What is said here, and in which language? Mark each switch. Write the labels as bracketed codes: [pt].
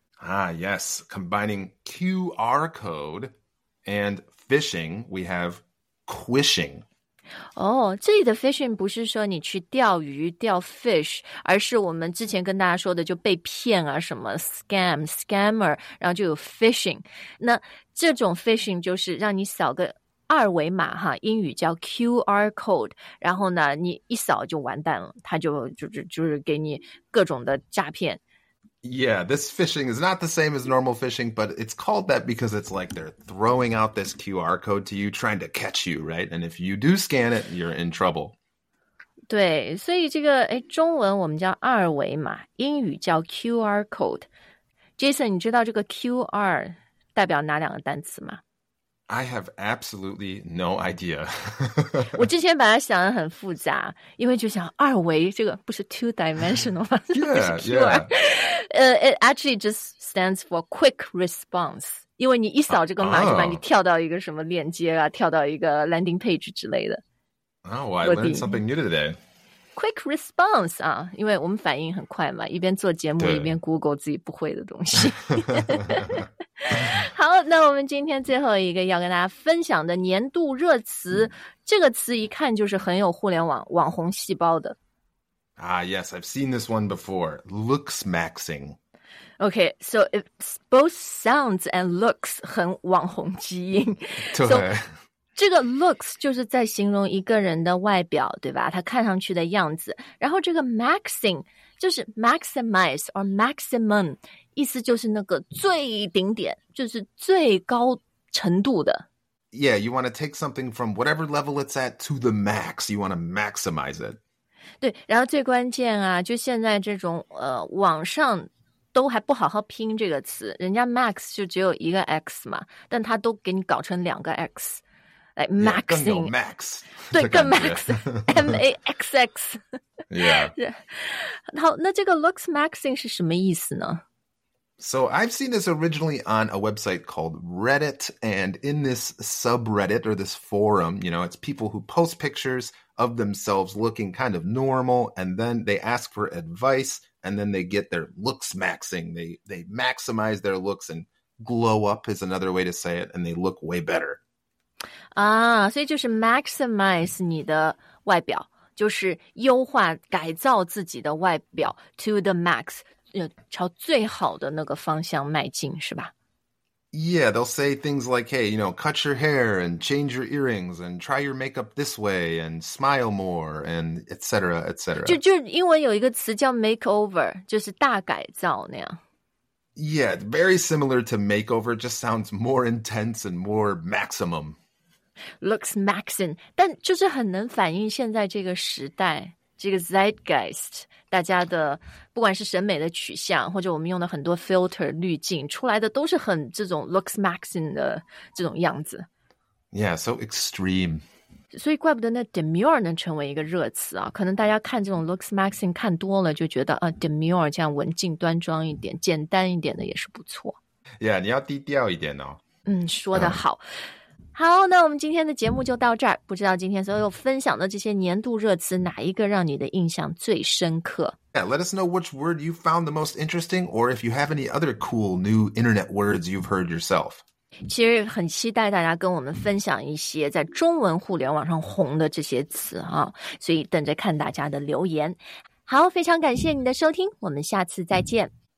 [en] Yes, combining QR code and fishing, we have quishing. [zh] 这里的 fishing 不是说你去钓鱼钓 fish, 而是我们之前跟大家说的就被骗啊，什么 scam, scammer, 然后就有 fishing。那这种 fishing 就是让你扫个二维码哈，英语叫 QR code, 然后呢你一扫就完蛋了，他就是给你各种的诈骗。 [en] Yeah, this phishing is not the same as normal phishing, but it's called that because it's like they're throwing out this QR code to you, trying to catch you, right? And if you do scan it, you're in trouble. [zh] 对，所以这个中文我们叫二维码，英语叫 QR code。Jason, 你知道这个 QR 代表哪两个单词吗？ [en] I have absolutely no idea. [zh] 我之前把它想得很复杂，因为就想二维这个不是 two-dimensional 吗？ [en] Yeah. It actually just stands for quick response. [zh] 因为你一扫这个码，就把你跳到一个什么链接啊，跳到一个 landing page 之类的。 [en] Oh, well, I learned something new today. [zh] Quick response 啊，因为我们反应很快嘛，一边做节目一边 Google 自己不会的东西。好，那我们今天最后一个要跟大家分享的年度热词，这个词一看就是很有互联网网红细胞的。 [en] Ah, yes, I've seen this one before. Looks maxing. Okay, so it's both sounds and looks [zh] 很网红基因。对。 So, 这个 looks 就是在形容一个人的外表，对吧？他看上去的样子。然后这个 maxing 就是 maximize or maximum， 意思就是那个最顶点，就是最高程度的。 [en] Yeah, you want to take something from whatever level it's at to the max. You want to maximize it. [zh] 对，然后最关键啊，就现在这种网上都还不好好拼这个词，人家 max 就只有一个 x 嘛，但他都给你搞成两个 x。 [en] Like maxing, yeah, max, [zh] 对，更 max, M-A-X-X. [en] Yeah. [zh] 好，那这个 looks maxing 是什么意思呢？ [en] So I've seen this originally on a website called Reddit, and in this subreddit or this forum, you know, it's people who post pictures of themselves looking kind of normal, and then they ask for advice, and then they get their looks maxing. They maximize their looks and glow up is another way to say it, and they look way better. [zh] 啊，所以就是 maximize 你的外表，就是优化改造自己的外表 [en] to the max， [zh] 朝最好的那个方向迈进，是吧？ [en] Yeah, they'll say things like, hey, you know, cut your hair and change your earrings and try your makeup this way and smile more and et cetera, et cetera. [zh] 就英文有一个词叫 makeover， 就是大改造那样。 [en] Yeah, very similar to makeover, just sounds more intense and more maximum. [zh] Looks maxing, 但就是很能反映现在这个时代，这个 zeitgeist, 大家的不管是审美的取向，或者我们用的很多 filter 滤镜出来的都是很这种 looks maxing 的这种样子。 [en] Yeah, so extreme. [zh] 所以怪不得那 demure 能成为一个热词啊，可能大家看这种 looks maxing 看多了就觉得啊 demure 这样文静端庄一点简单一点的也是不错。 Yeah, 你要低调一点哦。嗯，说得好。好，那我们今天的节目就到这儿。不知道今天所有分享的这些年度热词哪一个让你的印象最深刻？ [en] Yeah, let us know which word you found the most interesting, or if you have any other cool new internet words you've heard yourself. [zh] 其实很期待大家跟我们分享一些在中文互联网上红的这些词啊，所以等着看大家的留言。好，非常感谢你的收听，我们下次再见。